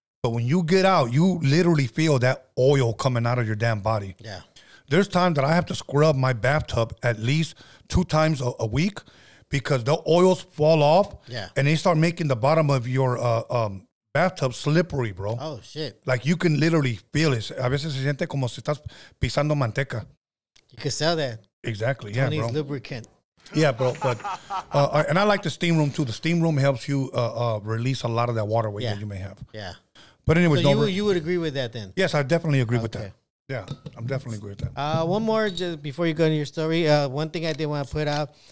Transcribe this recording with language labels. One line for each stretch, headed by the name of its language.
English: But when you get out, you literally feel that oil coming out of your damn body. Yeah. There's times that I have to scrub my bathtub at least two times a week. Because the oils fall off, yeah, and they start making the bottom of your bathtub slippery, bro. Oh, shit. Like, you can literally feel it.
Spanish: A veces se siente como si estás pisando manteca.
English: You can sell that. Exactly, yeah, bro. Tony's lubricant. Yeah, bro. But I like the steam room, too. The steam room helps you release a lot of that water weight that you may have. Yeah. But anyways, so you would agree with that, then? Yes, I definitely agree with that. Yeah, I'm definitely agree with that. One more, just before you go into your story. One thing I did want to put out.